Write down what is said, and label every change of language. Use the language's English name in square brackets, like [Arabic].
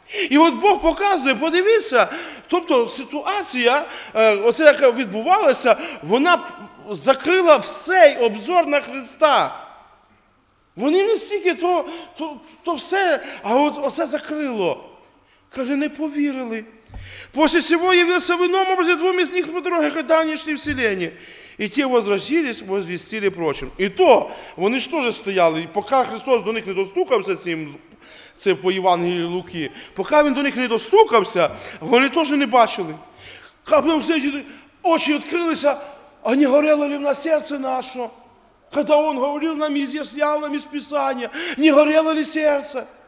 [Ukrainian] І от Бог показує, подивіться, тобто ситуація, оце яка відбувалася, вона закрила всей обзор на Христа. Вони не стільки то все, а от оце закрило. Каже, не повірили. [Russian] «После сего явился в ином образе двум из них по дороге, когда они шли в селение. И те возвратились, возвестили прочим». [Ukrainian] І то, вони ж теж стояли, поки Христос до них не достукався цим, це по Євангелії Луки, поки він до них не достукався, вони теж не бачили. Капнув сидіти, очі відкрилися, [Russian] а не горело ли в нас серце наше? Когда он говорил нам [Ukrainian] і з'ясняв нам із Писання, [Russian] не горело ли серце?